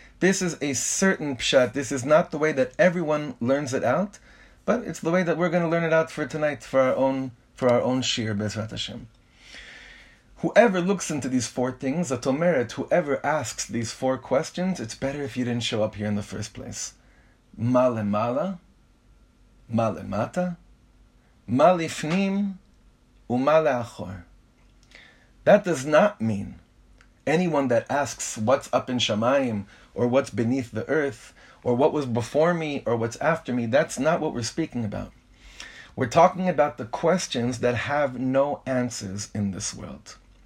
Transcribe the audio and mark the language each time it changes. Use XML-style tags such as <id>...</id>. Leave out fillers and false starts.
<en>This is a certain pshat. This is not the way that everyone learns it out, but it's the way that we're going to learn it out for tonight, for our own shiur,</en> <he>Bezrat Hashem.</he> <en>Whoever looks into these four things, Atomeret, whoever asks these four questions, it's better if you didn't show up here in the first place.</en> <he>Ma lemala, ma lemata, ma lifnim, uma leachor.</he> <en>That does not mean anyone that asks what's up in Shamayim, or what's beneath the earth, or what was before me, or what's after me, that's not what we're speaking about. We're talking about the questions that have no answers in this world.</en>